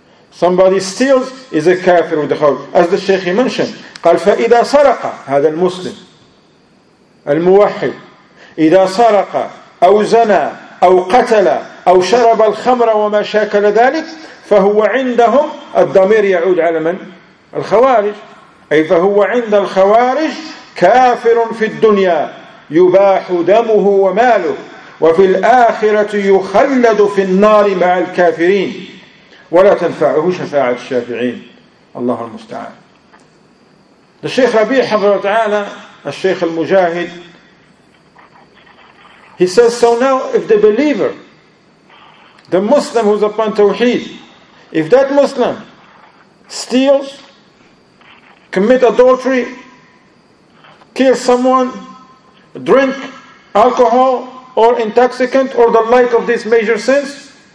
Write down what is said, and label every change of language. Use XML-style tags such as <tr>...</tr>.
<en>Somebody steals, is a kafir with the khawarij. As the Shaykh mentioned,</en> <ar>قال فإذا سرق هذا المسلم الموحد إذا سرق أو زنى أو قتل أو شرب الخمر وما شاكل ذلك فهو عندهم الضمير يعود على من؟ الخوارج. أي فهو عند الخوارج كافر في الدنيا يباح دمه وماله وفي الآخرة يخلد في النار مع الكافرين ولا تنفعه شفاعة الشافعين. الله المستعان. الشيخ ربيع حفظه تعالى,</ar> <en>الشيخ المجاهد, he says, so now if the believer, the Muslim who's upon Tawheed, if that Muslim steals, commit adultery, kill someone, drink alcohol or intoxicant or the like of these major sins,</en>